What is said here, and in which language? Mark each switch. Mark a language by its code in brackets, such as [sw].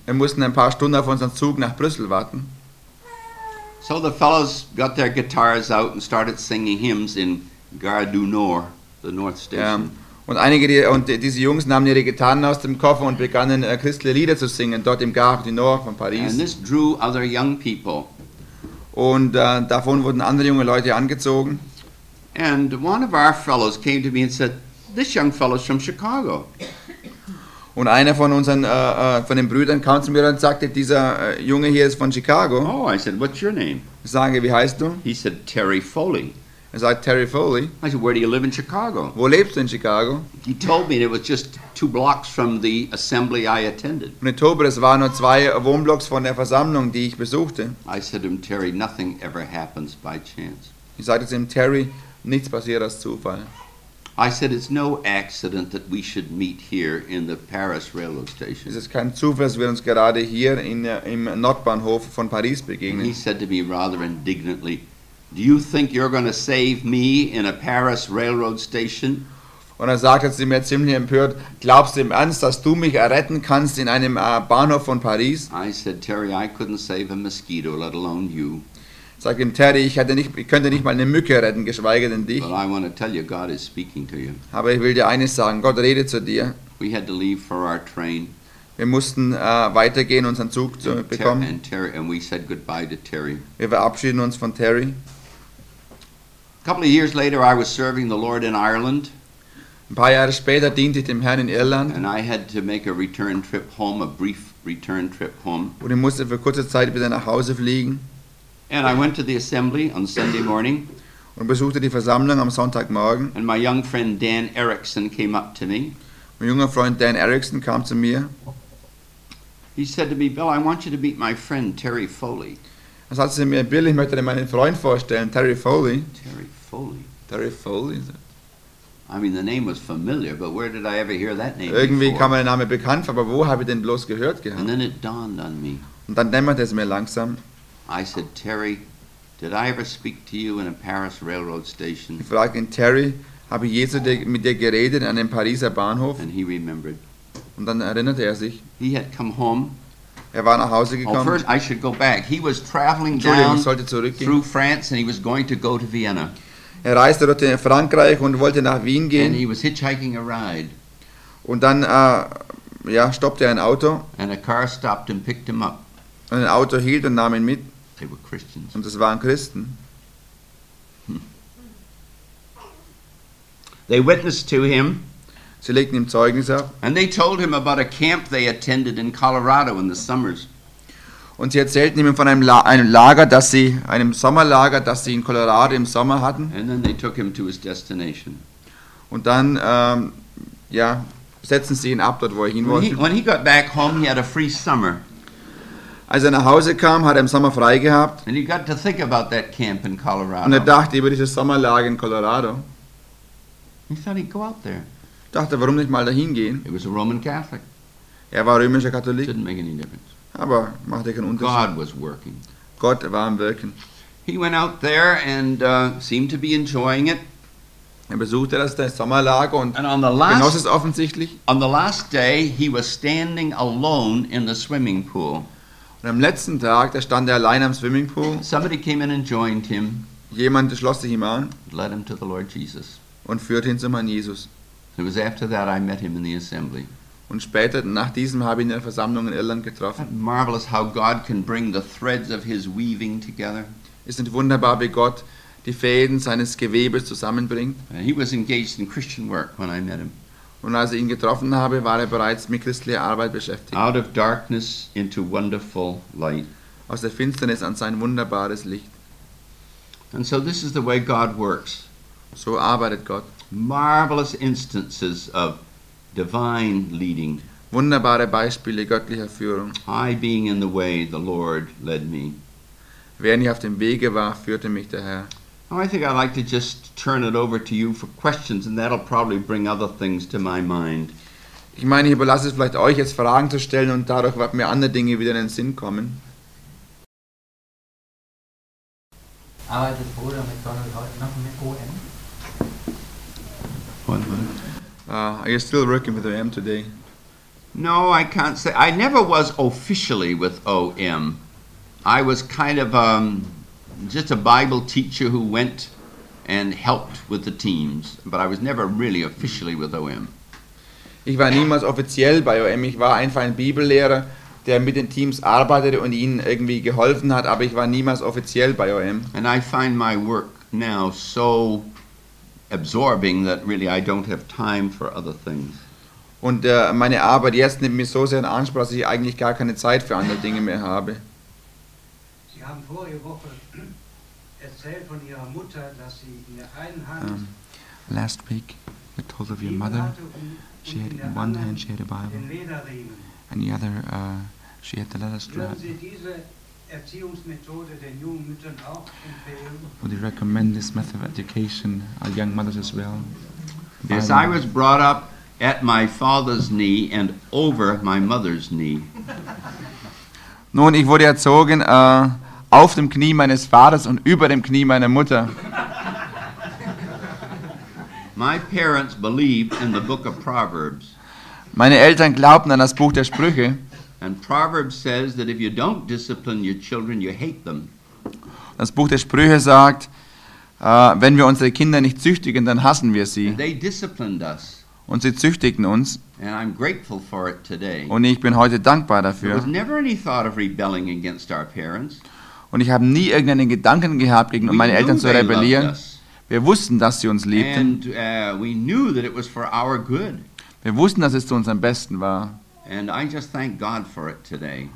[de] Wir mussten ein paar Stunden auf unseren Zug nach Brüssel warten. [en] So the fellows got their guitars out and started singing hymns in Gare du Nord, the North Station. [de] Und diese Jungs nahmen ihre Gitarren aus dem Koffer und begannen christliche Lieder zu singen dort im Gare du Nord von Paris. [en] And this drew other young people. [de] Und davon wurden andere junge Leute angezogen. [en] And one of our fellows came to me and said, "This young fellow's from Chicago." [de] Und einer von unseren von den Brüdern kam zu mir und sagte, dieser Junge hier ist von Chicago. [en] Oh, I said, "What's your name?" [de] Ich sage, wie heißt du? [en] He said, "Terry Foley." I said, "Terry Foley." I said, "Where do you live in Chicago?" [de] Wo lebst du in Chicago? [en] He told me it was just two blocks from the assembly I attended. [de] Und ich glaube, es waren nur zwei Wohnblocks von der Versammlung, die ich besuchte. [en] I said to him, "Terry, nothing ever happens by chance." [de] Ich sagte zu ihm, Terry, nichts passiert aus Zufall. [en] I said, "It's no accident that we should meet here in the Paris railroad station." [de] Es ist kein Zufall, dass wir uns gerade hier im Nordbahnhof von Paris begegnen. [en] And he said to me rather indignantly, "Do you think you're going to save me in a Paris railroad station?" [de] Und er sagte zu mir ziemlich empört, "Glaubst du im Ernst, dass du mich erretten kannst in einem Bahnhof von Paris?" [en] I said, "Terry, I couldn't save a mosquito, let alone you." [de] Sag ihm, Terry, ich könnte nicht mal eine Mücke retten, geschweige denn dich. [en] But I want to tell you, God is speaking to you. [de] Aber ich will dir eines sagen, Gott redet zu dir. [en] We had to leave for our train. [de] Wir mussten weitergehen, unseren Zug zu bekommen. [en] And we said goodbye to Terry. [de] Wir verabschieden uns von Terry. [en] A couple of years later, I was serving the Lord in Ireland. [de] Ein paar Jahre später diente ich dem Herrn in Irland. [en] And I had to make a return trip home, a brief return trip home. [de] Und ich musste für kurze Zeit wieder nach Hause fliegen. [en] And I went to the assembly on Sunday morning. [de] Und besuchte die Versammlung am Sonntagmorgen. [en] And my young friend Dan Erickson came up to me. [de] Mein junger Freund Dan Erickson kam zu mir. [en] He said to me, "Bill, I want you to meet my friend Terry Foley." [de] Er sagte zu mir, "Bill, ich möchte dir meinen Freund vorstellen, Terry Foley." [en] Terry Foley. [de] Terry Foley. [en] I mean, the name was familiar, but where did I ever hear that name [de] irgendwie Irgendwie kam mir der Name bekannt, aber wo habe ich den bloß gehört gehabt? [en] And then it dawned on me. [de] Und dann dämmerte es mir langsam. [en] I said, "Terry, did I ever speak to you in a Paris railroad station?" [de] Ich fragte ihn, Terry, habe ich jetzt mit dir geredet an dem Pariser Bahnhof? [en] And he remembered. [de] Und dann erinnerte er sich. [en] He had come home. [de] Er war nach Hause gekommen. [en] Oh, first I should go back. He was traveling down through France and he was going to go to Vienna. [de] Er reiste dort in Frankreich und wollte nach Wien gehen. [en] And he was hitchhiking a ride. [de] Und dann stoppte er ein Auto. [en] And a car stopped and picked him up. [de] Und ein Auto hielt und nahm ihn mit. [en] They were Christians. [de] Und das waren Christen. [en] They witnessed to him. [de] Sie legten ihm Zeugnis ab. [en] And they told him about a camp they attended in Colorado in the summers. [de] Und sie erzählten ihm von einem Sommerlager, das sie in Colorado im Sommer hatten. [en] And then they took him to his destination. [de] Und dann setzten sie ihn ab dort, wo er hin wollte. [en] When he got back home, he had a free summer. [de] Als er nach Hause kam, hat er im Sommer frei gehabt. [en] And he got to think about that camp in Colorado. [de] Und er dachte über dieses Sommerlager in Colorado. [en] He thought he'd go out there. [de] Dachte, warum nicht mal dahin gehen? [en] He was a Roman Catholic. [de] Er war römischer Katholik. [en] Didn't make any difference. [de] Aber machte keinen Unterschied. [en] God was working. [de] Gott war am Wirken. [en] He went out there and seemed to be enjoying it. [de] Er besuchte das Sommerlager und genoss es offensichtlich. [en] On the last day, he was standing alone in the swimming pool. [de] Und am letzten Tag, da stand er allein am Swimmingpool. [en] Somebody came in and joined him. [de] Jemand schloss sich ihm an. [en] Led him to the Lord Jesus. [de] Und führte ihn zum Herrn Jesus. [en] It was after that I met him in the assembly. [de] Und später nach diesem habe ich eine Versammlung in Irland getroffen. [en] Isn't it marvelous how God can bring the threads of his weaving together? [de] Ist nicht wunderbar, wie Gott die Fäden seines Gewebes zusammenbringt? [en] He was engaged in Christian work when I met him. [de] Und als ich ihn getroffen habe, war er bereits mit christlicher Arbeit beschäftigt. [en] Out of darkness into wonderful light. [de] Aus der Finsternis an sein wunderbares Licht. [en] And so this is the way God works. [de] So arbeitet Gott. [en] Marvelous instances of divine leading. [de] Wunderbare Beispiele göttlicher Führung. [en] I being in the way, the Lord led me. [de] Während ich auf dem Wege war, führte mich der Herr. [en] I think I'd like to just turn it over to you for questions, and that'll probably bring other things to my mind. [de] Ich meine, ich überlasse es vielleicht euch, jetzt Fragen zu stellen, und dadurch werden mir andere Dinge wieder in den Sinn kommen. Arbeitet Bruder McDonald heute noch mit OM? [en] Are you still working with OM today? No, I can't say. I never was officially with OM. I was kind of just a Bible teacher who went and helped with the teams, but I was never really officially with OM. [de] Ich war niemals offiziell bei OM. Ich war einfach ein Bibellehrer, der mit den Teams arbeitete und ihnen irgendwie geholfen hat, aber ich war niemals offiziell bei OM. [en] And I find my work now so absorbing that really I don't have time for other things. [de] Und meine Arbeit jetzt nimmt mich so sehr in Anspruch, dass ich eigentlich gar keine Zeit für andere Dinge mehr habe. Sie haben vorige Woche erzählt von ihrer Mutter, dass sie in der einen Hand [en] last week you told of your mother, she had in one hand she had a Bible, and the other she had the leather strap. [de] Würden Sie diese Erziehungsmethode den jungen Müttern auch empfehlen? [en] Would you recommend this method of education our young mothers as well? Bible. Yes, I was brought up at my father's knee and over my mother's knee. [de] Nun, ich wurde erzogen auf dem Knie meines Vaters und über dem Knie meiner Mutter. [en] My parents believed in the book of Proverbs. [de] Meine Eltern glaubten an das Buch der Sprüche. [en] And Proverbs says that if you don't discipline your children, you hate them. [de] Das Buch der Sprüche sagt, wenn wir unsere Kinder nicht züchtigen, dann hassen wir sie. [en] And they disciplined us. [de] Und sie züchtigten uns. [en] And I'm grateful for it today. [de] Und ich bin heute dankbar dafür. [en] There was never any thought of rebelling against our parents. [de] Und ich habe nie irgendeinen Gedanken gehabt, gegen meine Eltern zu rebellieren. Wir wussten, dass sie uns liebten. [en] And, we knew that it was for our good. [de] Wir wussten, dass es zu unserem Besten war. [en] And I just thank God for it today.